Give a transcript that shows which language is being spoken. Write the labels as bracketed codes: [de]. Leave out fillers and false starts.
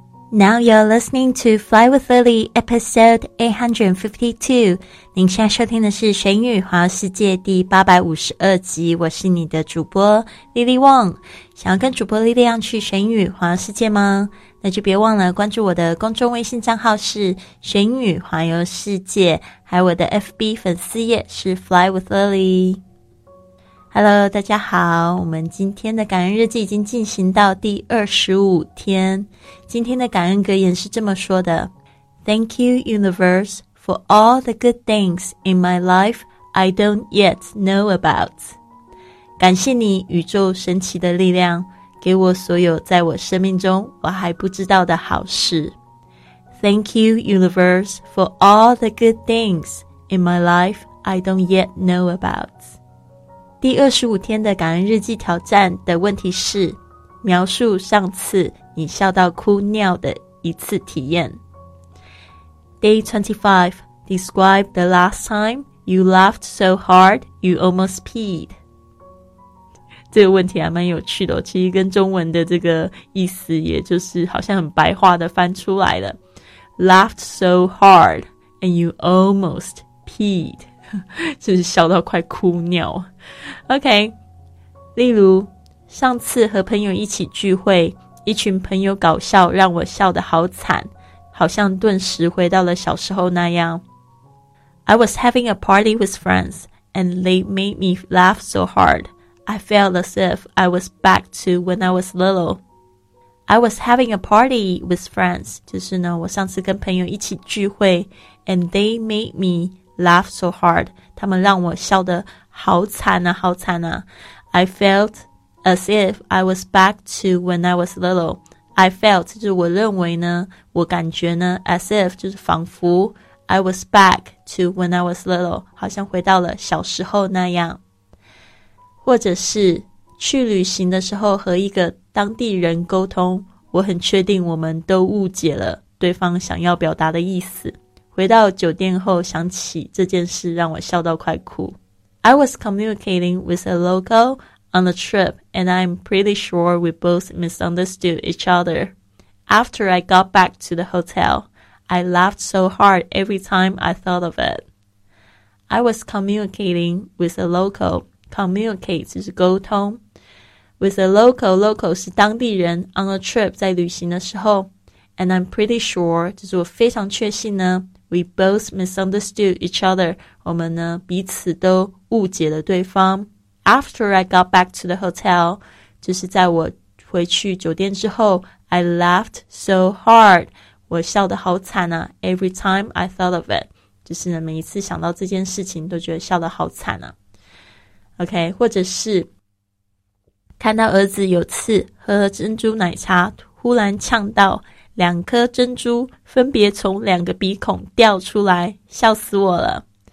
[en] Now you're listening to Fly with Lily, episode 852. [zh] 您现在收听的是《学英语环游世界》第852集。我是你的主播 Lily Wong。想要跟主播 Lily 一样去学英语环游世界吗？那就别忘了关注我的公众微信账号是《学英语环游世界》，还有我的 FB 粉丝页是 Fly with Lily。 Hello， 大家好，我们今天的感恩日记已经进行到第25天。今天的感恩格言是这么说的 [en] Thank you, universe, for all the good things in my life I don't yet know about. [zh] 感谢你，宇宙神奇的力量，给我所有在我生命中我还不知道的好事。 [en] Thank you, universe, for all the good things in my life I don't yet know about. [zh] 第25天的感恩日记挑战的问题是描述上次你笑到哭尿的一次体验。 [en] Day 25 Describe the last time you laughed so hard you almost peed. [zh] 这个问题还蛮有趣的，其实跟中文的这个意思也就是好像很白话的翻出来了。 [en] Laughed so hard and you almost peed. [zh] 就是笑到快哭尿。 OK， 例如上次和朋友一起聚会，一群朋友搞笑让我笑得好惨，好像顿时回到了小时候那样。 [en] I was having a party with friends and they made me laugh so hard I felt as if I was back to when I was little. I was having a party with friends [zh] 就是呢，我上次跟朋友一起聚会， [en] and they made meLaugh so hard. [zh] 他们让我笑得好惨啊好惨啊。 [en] I felt as if I was back to when I was little. I felt, [zh] 就是我认为呢，我感觉呢， [en] as if, [zh] 就是仿佛 [en] I was back to when I was little. [zh] 好像回到了小时候那样。或者是去旅行的时候和一个当地人沟通，我很确定我们都误解了对方想要表达的意思。回到酒店后想起这件事让我笑到快哭。 [en] I was communicating with a local on the trip and I'm pretty sure we both misunderstood each other. After I got back to the hotel, I laughed so hard every time I thought of it. I was communicating with a local. [zh] Communicate 就是沟通。 [en] With a local, local [zh] 是当地人 [en] on a trip [zh] 在旅行的时候。 [en] And I'm pretty sure [zh] 就是我非常确信呢 [en] We both misunderstood each other. [zh] 我们呢彼此都误解了对方。 [en] After I got back to the hotel, [zh] 就是在我回去酒店之后 [en] I laughed so hard. [zh] 我笑得好惨啊 [en] Every time I thought of it. [zh] 就是呢每一次想到这件事情都觉得笑得好惨啊。 OK, 或者是看到儿子有次喝珍珠奶茶忽然呛到两颗珍珠分别从两个鼻孔掉出来，笑死我了。